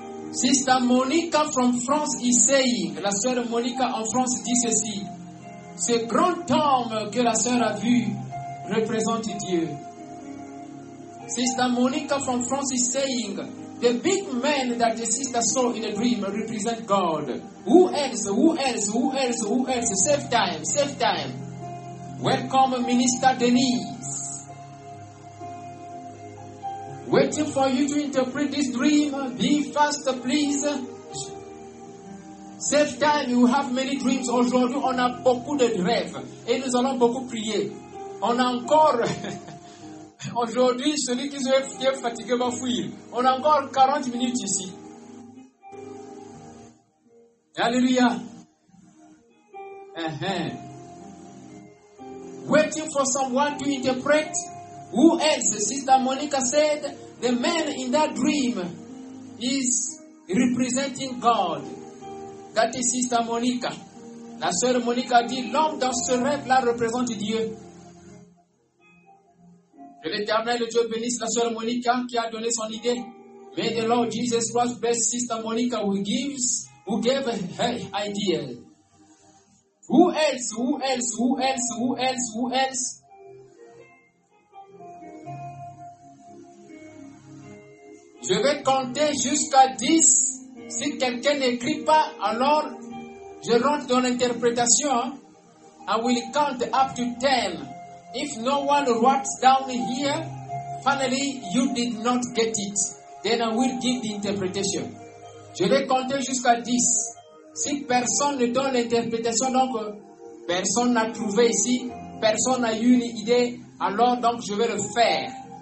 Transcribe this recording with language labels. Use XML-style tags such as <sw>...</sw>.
<en>Sister Monica from France is saying,</en> <fr>la sœur Monica en France dit ceci, ce grand homme que la sœur a vu représente Dieu.</fr> <en>Sister Monica from France is saying, the big man that the sister saw in a dream represents God. Who else? Who else? Who else? Who else? Save time. Save time. Welcome, Minister Denise. Waiting for you to interpret this dream. Be fast, please. Save time. You have many dreams.</en> <fr>Aujourd'hui, on a beaucoup de rêves. Et nous allons beaucoup prier. On a encore... Aujourd'hui, celui qui se fait fatigué va fuir. On a encore 40 minutes ici. Alléluia.</fr> <en>Waiting for someone to interpret. Who else? Sister Monica said, the man in that dream is representing God. That is Sister Monica.</en> <fr>La sœur Monica dit, l'homme dans ce rêve-là représente Dieu. Que l'Éternel Dieu bénisse la sœur Monica qui a donné son idée.</fr> <en>May the Lord Jesus Christ bless Sister Monica who gave her idea. Who else? Who else? Who else? Who else? Who else?</en> <fr>Je vais compter jusqu'à 10. Si quelqu'un n'écrit pas, alors je rentre dans l'interprétation.</fr> <en>I will count up to 10. If no one writes down here, finally you did not get it. Then I will give the interpretation.</en> <fr>Je vais compter jusqu'à 10. Si personne ne donne l'interprétation, donc personne n'a trouvé ici, personne n'a eu une idée, alors donc je vais le faire.</fr>